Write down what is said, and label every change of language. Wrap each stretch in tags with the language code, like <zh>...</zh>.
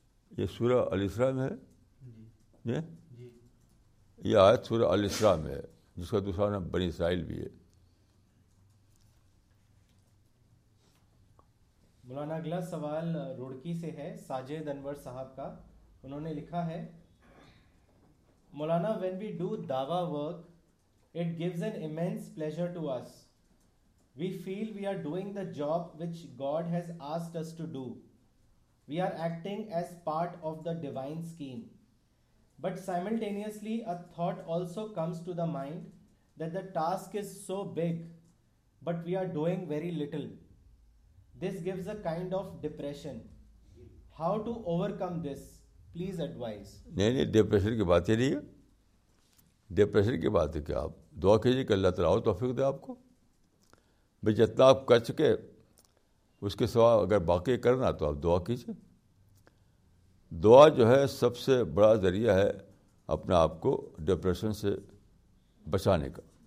<ur>یہ سورہ الاسراء میں ہے, یہ آیت سورہ الاسراء میں ہے جس کا دوسرا نام بنی اسرائیل بھی ہے. مولانا اگلا سوال روڑکی سے ہے ساجد انور صاحب کا. انہوں نے لکھا ہے, مولانا</ur> <en>When we do dawah work it gives an immense pleasure to us, we feel we are doing the job which God has asked us to do, we are acting as part of the divine scheme. But simultaneously, a thought also comes to the mind that the task is so big, but we are doing very little. This gives a kind of depression. How to overcome this? Please advise.</en> <ur>نہیں نہیں, depression کی بات ہی نہیں ہے. Depression کی بات ہے کہ آپ دعا کیجیے کہ اللہ تعالیٰ توفیق دے آپ کو, بھائی جتنا آپ کر چکے اس کے سوا اگر باقی کرنا تو آپ دعا کیجیے. دعا جو ہے سب سے بڑا ذریعہ ہے اپنے آپ کو ڈپریشن سے بچانے کا.</ur>